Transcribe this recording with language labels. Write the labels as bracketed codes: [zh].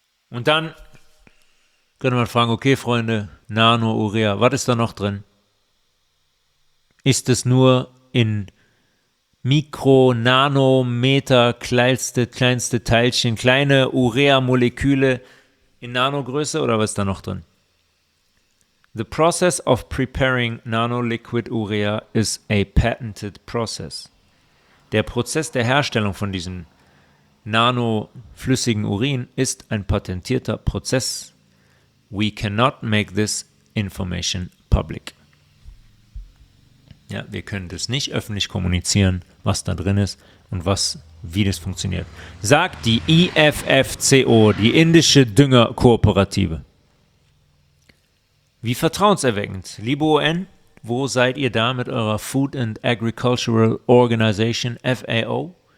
[de] Und dann könnte man fragen, okay, Freunde, Nano-Urea, was ist da noch drin? Ist es nur in Mikro-, Nanometer, kleinste Teilchen, kleine Urea-Moleküle in Nanogröße oder was ist da noch drin? [en] The process of preparing nanoliquid urea is a patented process. [de] Der Prozess der Herstellung von diesem nanoflüssigen Urin ist ein patentierter Prozess. [en] We cannot make this information public. [de] Ja, wir können das nicht öffentlich kommunizieren, was da drin ist und wie das funktioniert. Sagt die IFFCO, die indische Düngerkooperative. Wie vertrauenserweckend. Liebe UN, wo seid ihr da mit eurer Food and Agricultural Organization, FAO?